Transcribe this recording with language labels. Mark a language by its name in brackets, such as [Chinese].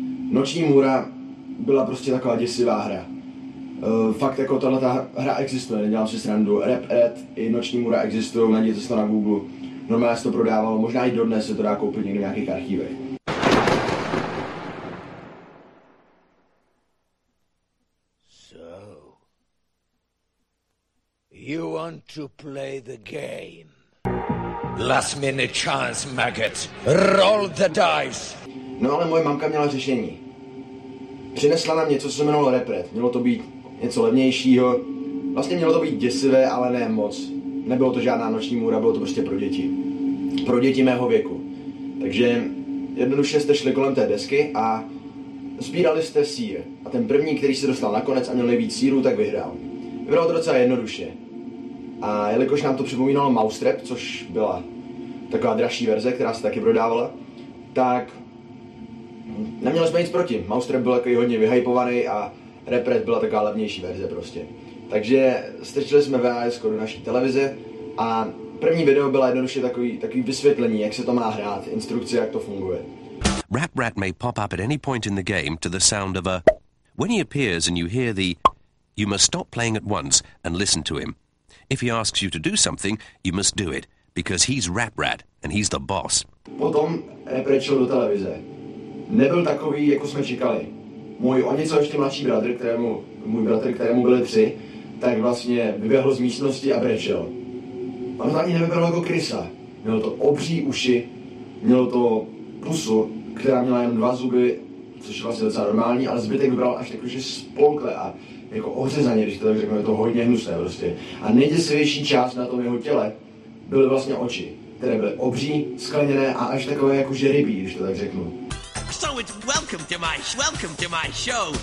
[Czech] Noční můra byla prostě taková děsivá hra. Fakt jako tato hra existuje, nedělám si srandu. Rap Red i Noční můra existují, najděte si to na Google. Normálně se to prodávalo, možná i dodnes se to dá koupit někde v nějakých archívech. [English] So, you want to play the game. Last minute chance, maggot. Roll the dice. [Czech] No ale moje mamka měla řešení. Přinesla nám něco, co se jmenovalo Rap Red. Mělo to být něco levnějšího. Vlastně mělo to být děsivé, ale ne moc. Nebylo to žádná noční můra, bylo to prostě pro děti. Pro děti mého věku. Takže jednoduše jste šli kolem té desky a sbírali jste sír. A ten první, který se dostal nakonec a měl nejvíc síru, tak vyhrál. Vyhrál to docela jednoduše. A jelikož nám to připomínalo Mousetrap, což byla taková dražší verze, která se taky prodávala, tak neměli jsme nic proti. Mousetrap byl takový hodně vyhypovaný a Rap Red byla taková levnější verze prostě. Takže strčili jsme VHS do naší televize a první video byla jednoduše takový vysvětlení, jak se to má hrát, instrukce, jak to funguje. [English] Rap Red may pop up at any point in the game to the sound of a... When he appears and you hear the... You must stop playing at once and listen to him. If he asks you to do something, you must do it, because he's Rap Rat, and he's the boss. [Czech] Potom Rap Rat šel do televize. Nebyl takový, jako jsme čekali. Můj o něco ještě mladší bratr, kterému byly tři, tak vlastně vyběhl z místnosti a brečel. Ono to ani nevypadalo jako krysa. Mělo to obří uši, mělo to pusu, která měla jen dva zuby, což je vlastně docela normální, ale zbytek vybral až takový, že spolkle a jako ohřezaně, když to tak řeknu, je to hodně hnusné prostě. A nejděsivější část na tom jeho těle byly vlastně oči, které byly obří, skleněné a až takové jako že rybí, když to tak řeknu. [English] So it's welcome to my show.